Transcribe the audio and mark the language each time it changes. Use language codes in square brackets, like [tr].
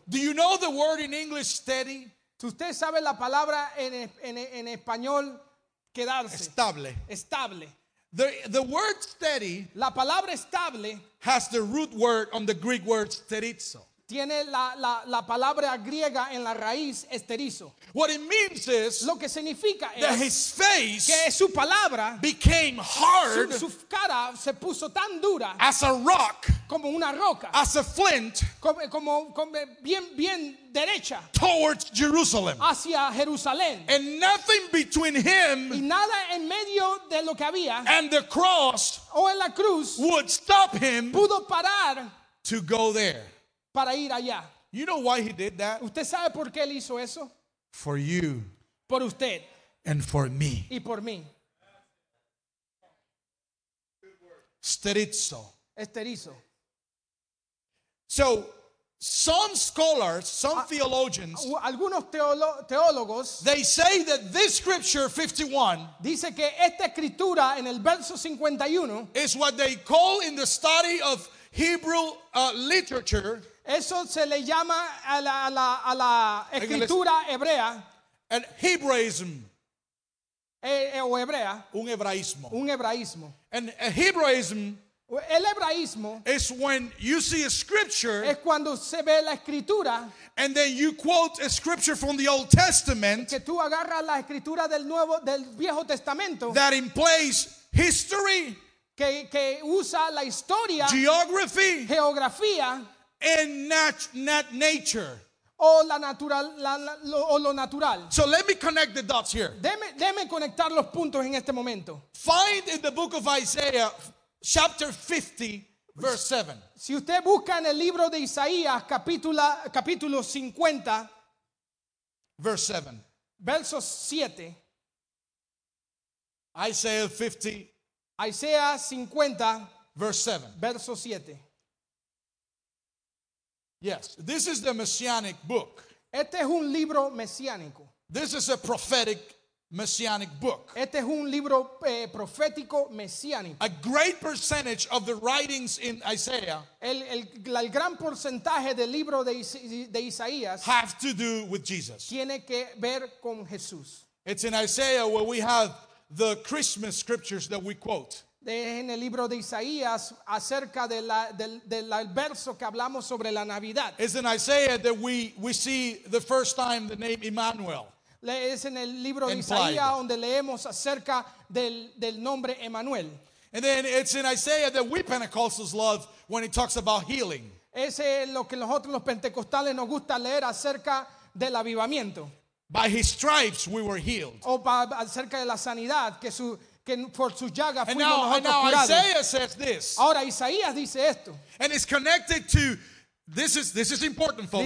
[en] Do you know the word in English steady? [es] ¿Usted sabe la palabra en español quedarse? Estable. Estable. [en] The word steady, [es] la palabra estable, [en] has the root word on the Greek word sterizo. [es] Tiene la palabra griega en la raíz esterizo. [en] What it means is, [es] lo que significa [en] that his face, [es] que su palabra, [en] became hard, [es] su cara se puso tan dura, [en] as a rock, [es] como una roca, [en] as a flint, [es] como bien derecha, [en] towards Jerusalem, [es] hacia Jerusalén, [en] and nothing between him, [es] y nada en medio de lo que había, [en] and the cross, [es] o en la cruz, [en] would stop him, [es] pudo parar, [en] to go there. [es] Para ir allá. [en] You know why he did that? [es] ¿Usted sabe por qué él hizo eso? [en] For you. [es] Por usted. [en] And for me. [es] Y por mí. [en] Sterizo. [es] Esterizo. [en] So, some scholars, some theologians, [es] algunos teólogos, [en] they say that this scripture 51, [es] dice que esta escritura en el verso 51, [en] is what they call in the study of Hebrew literature, [es] eso se le llama a la escritura hebrea. [en] An Hebraism. [es] O hebrea. Un hebraísmo. Un hebraísmo. [en] And a Hebraism. [es] El hebraísmo. [en] Is when you see a scripture. [es] Es cuando se ve la escritura. [en] And then you quote a scripture from the Old Testament. [es] Que tú agarras la escritura del Viejo Testamento. [en] That implies history. [es] Que usa la historia. [en] Geography. [es] Geografía. [en] And not nature. [es] O la natural, lo natural. [en] So let me connect the dots here. [es] Deme conectar los puntos en este momento. [en] Find in the book of Isaiah, chapter 50, verse 7. [es] Si usted busca en el libro de Isaías, capítulo 50, [en] verse 7. [es] Verso 7. [en] Isaiah 50. [es] Isaías 50. [en] Verse 7. [es] Verso 7. [en] Yes, this is the messianic book. [es] Este es un libro mesiánico. [en] This is a prophetic messianic book. [es] Este es un libro profético mesiánico. [en] A great percentage of the writings in Isaiah, [es] el gran porcentaje del libro de Isaías, [en] have to do with Jesus. [es] Tiene que ver con Jesús. [en] It's in Isaiah where we have the Christmas scriptures that we quote. [es] En el libro de Isaías acerca de la del verso que hablamos sobre la Navidad. [en] It's in Isaiah that we see the first time the name Emmanuel. [es] Es en el libro de Isaías donde leemos acerca del nombre Emmanuel. [en] And then it's in Isaiah that we Pentecostals love when he talks about healing. [es] Ese es lo que nosotros los pentecostales nos gusta leer acerca del avivamiento. [en] By his stripes we were healed. [es] O acerca de la sanidad que su que por sus llagas fuimos nosotros [en] And now Isaiah says this. [es] Ahora Isaías dice esto. [en] And it's connected to this is important, folks.